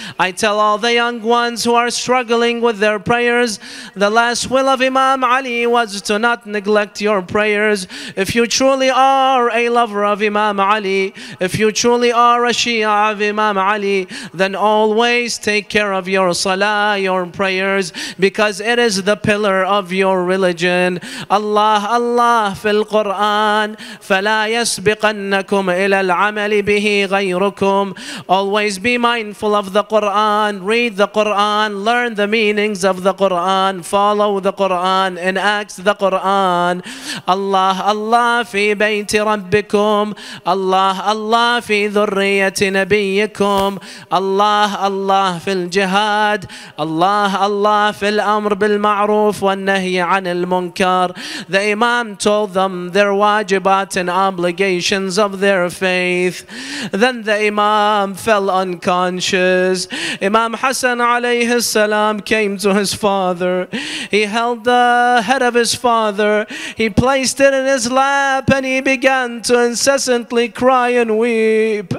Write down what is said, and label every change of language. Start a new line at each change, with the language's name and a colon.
English: I tell all the young ones who are struggling with their prayers, the last will of Imam Ali was to not neglect your prayers. If you truly are a lover of Imam Ali, if you truly are a Shia of Imam Ali, then always take care of your salah, your prayers, because it is the pillar of your religion.
Arabic: Allah, Allah, في القرآن فلا يسبقنكم إلى العمل به غيركم.
English: Always be mindful of the Quran, read the Quran, learn the meanings of the Quran, follow the Quran, enact the Quran.
Arabic: Allah, Allah, في بيت ربكم. Allah, Allah, في ذرية نبيكم. Allah, Allah, في الجهاد. Allah, Allah, في الأمر بالمعروف والنهي عن المنكر.
English: The Imam told them their wajibat and obligations of their faith. Then the Imam fell unconscious. Imam Hassan alayhi salam came to his father. He held the head of his father. He placed it in his lap and he began to incessantly cry and weep.